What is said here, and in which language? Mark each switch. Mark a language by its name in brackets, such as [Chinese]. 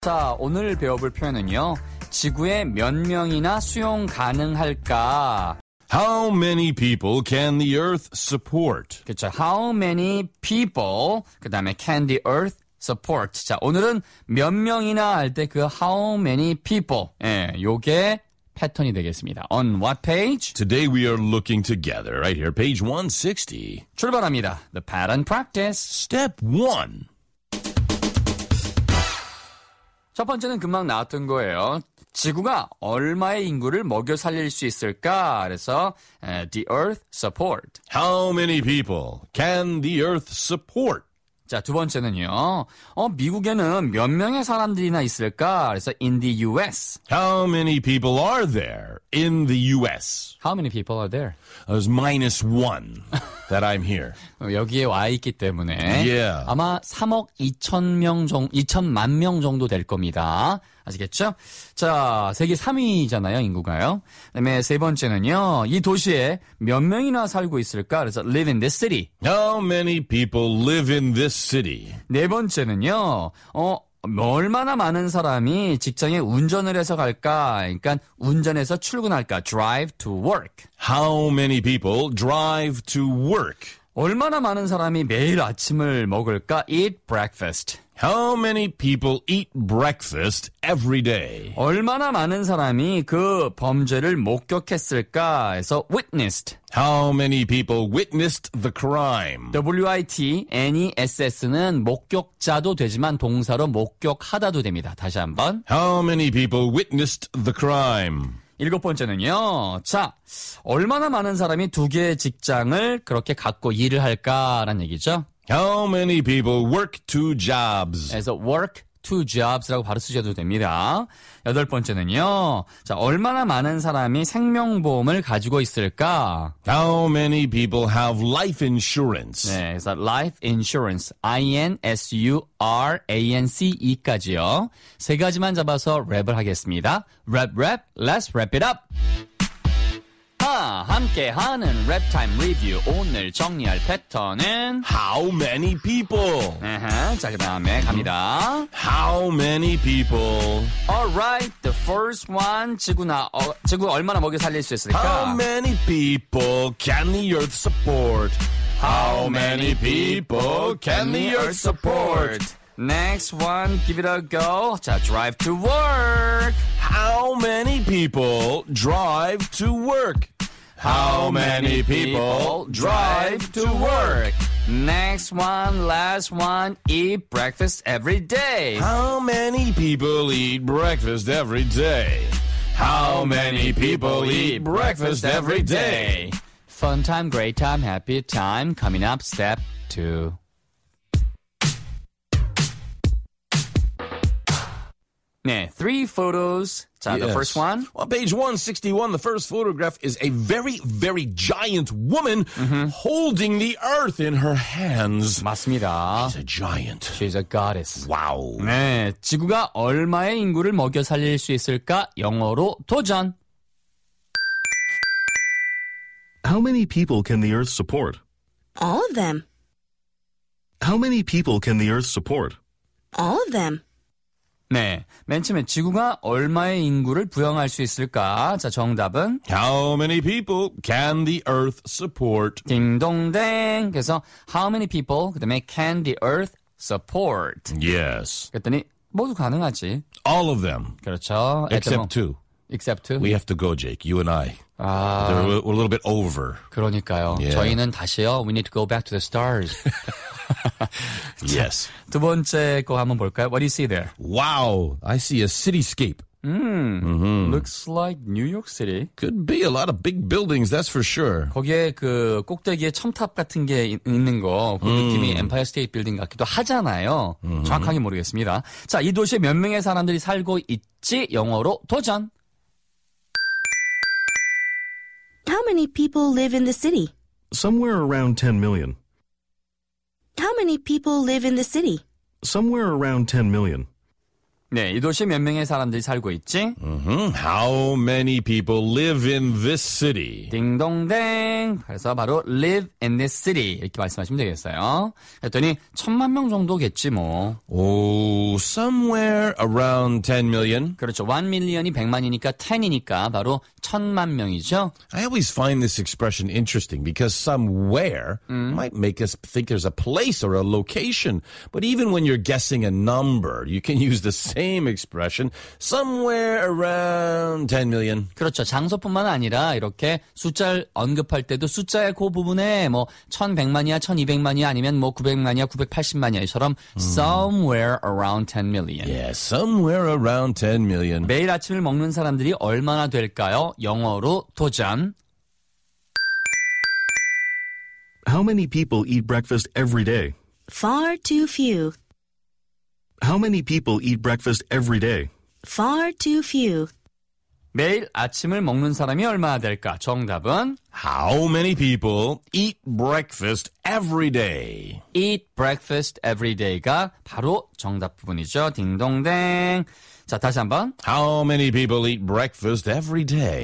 [Korean] 자, 오늘 배워볼 표현은요. 지구에 몇 명이나 수용 가능할까? [English] How many people can the earth support? [Korean] 그렇죠. [English] How many people, [Korean] 그 다음에 [English] can the earth support? [Korean] 자, 오늘은 몇 명이나 할 때 그 [English] how many people. [Korean] 예, 요게 패턴이 되겠습니다. [English] On what page? Today we are looking together right here, page 160. [Korean] 출발합니다. [English] The pattern practice. Step 1. [Korean] 첫 번째는 금방 나왔던 거예요. 지구가 얼마의 인구를 먹여 살릴 수 있을까? 그래서 [English] the earth support. How many people can the earth support? [Korean] 자, 두 번째는요. 미국에는 몇 명의 사람들이나 있을까? 그래서 [English] in the US. How many people are there in the US? How many people are there? There's minus one that I'm here. [Korean] 여기에 와 있기 때문에 [English] yeah. [Korean] 아마 3억 2천 명 정도, 2천만 명 정도 될 겁니다. 아시겠죠? 자, 세계 3위잖아요, 인구가요. 그다음에 세 번째는요. 이 도시에 몇 명이나 살고 있을까? 그래서 live in this city. How many people live in this city? 네 번째는요. 얼마나 많은 사람이 직장에 운전을 해서 갈까? 그러니까 운전해서 출근할까? [English] Drive to work. How many people drive to work? [Korean] 얼마나 많은 사람이 매일 아침을 먹을까? [English] Eat breakfast. How many people eat breakfast every day? [Korean] 얼마나 많은 사람이 그 범죄를 목격했을까? 해서 [English] witnessed. How many people witnessed the crime? [Korean] WITNESS는 목격자도 되지만 동사로 목격하다도 됩니다. 다시 한번. [English] How many people witnessed the crime? [Korean] 일곱 번째는요. 자, 얼마나 많은 사람이 두 개의 직장을 그렇게 갖고 일을 할까라는 얘기죠. [English] How many people work two jobs? [Korean] 그래서 [English] work two jobs [Korean] 라고 바로 쓰셔도 됩니다. 여덟 번째는요. 자, 얼마나 많은 사람이 생명보험을 가지고 있을까? [English] How many people have life insurance? [Korean] 네, 그래서 [English] life insurance. [Korean] INSURANCE까지요. 세 가지만 잡아서 랩을 하겠습니다. [English] Rap, rap, let's wrap it up. [Korean] 함께하는 랩타임 리뷰 오늘 정리할 패턴은 [English] How many people? [Korean] Uh-huh. 자, 그 다음에 갑니다. [English] How many people? Alright, the first one [Korean] 지구 얼마나 먹여 살릴 수 있을까? [English] How many people can the earth support? How many people can the earth support? Next one, give it a go. 자, drive to work. How many people drive to work? How many people drive to work? Next one, last one, eat breakfast every day. How many people eat breakfast every day? How many people eat breakfast every day? Fun time, great time, happy time. Coming up, step two. 네, three photos. 자, yes. The first one. Well, page 161, the first photograph is a very, very giant woman mm-hmm. holding the earth in her hands. [Korean] 맞습니다. [English] She's a giant. She's a goddess. Wow. [Korean] 네, 지구가 얼마의 인구를 먹여 살릴 수 있을까? 영어로 도전. [English] How many people can the earth support? All of them. How many people can the earth support? All of them. [Korean] 네, 맨 처음에 지구가 얼마의 인구를 부양할 수 있을까? 자, 정답은 [English] How many people can the earth support? [Korean] 딩동댕. 그래서 [English] How many people, [Korean] 그 다음에 [English] can the earth support? Yes. [Korean] 그랬더니 모두 가능하지. [English] All of them. [Korean] 그렇죠. [English] Except two. Except two. We have to go, Jake. You and I. 아, They're a little bit over. [Korean] 그러니까요. [English] Yeah. [Korean] 저희는 다시요. [English] We need to go back to the stars. Yes. [Korean] 두 번째 거 한번 볼까요? [English] What do you see there? Wow, I see a cityscape. Looks like New York City. Could be a lot of big buildings, that's for sure. [Korean] 거기에 그 꼭대기에 첨탑 같은 게 있는 거, 그 느낌이 Empire State Building 같기도 하잖아요. 정확하게 모르겠습니다. 자, 이 도시에 몇 명의 사람들이 살고 있지? 영어로 도전. [English] How many people live in the city? Somewhere around 10 million. How many people live in the city? Somewhere around 10 million. [Korean] 네, 이 도시에 몇 명의 사람들이 살고 있지? [English] How many people live in this city? [Korean] 딩동댕. 그래서 바로 [English] live in this city [Korean] 이렇게 말씀하시면 되겠어요. 그랬더니 천만 명 정도겠지 뭐. [English] Oh, somewhere around 10 million. [Korean] 그렇죠. 1 million이 100만이니까 10이니까 바로 천만 명이죠. [English] I always find this expression interesting because somewhere might make us think there's a place or a location. But even when you're guessing a number, you can use the same expression somewhere around 10 million. [Korean] 그렇죠. 장소뿐만 아니라 이렇게 숫자를 언급할 때도 숫자의 그 부분에 뭐 1100만이야, 1200만이야 아니면 뭐 900만이야, 980만이야처럼 [English] somewhere around 10 million. Yeah, somewhere around 10 million. [Korean] 매일 아침을 먹는 사람들이 얼마나 될까요? 영어로 도전. [English] How many people eat breakfast every day? Far too few. How many people eat breakfast every day? Far too few. [Korean] 매일 아침을 먹는 사람이 얼마나 될까? 정답은 [English] How many people eat breakfast every day? Eat breakfast every day가 [Korean] 바로 정답 부분이죠. 딩동댕. 자, 다시 한번. [English] How many people eat breakfast every day?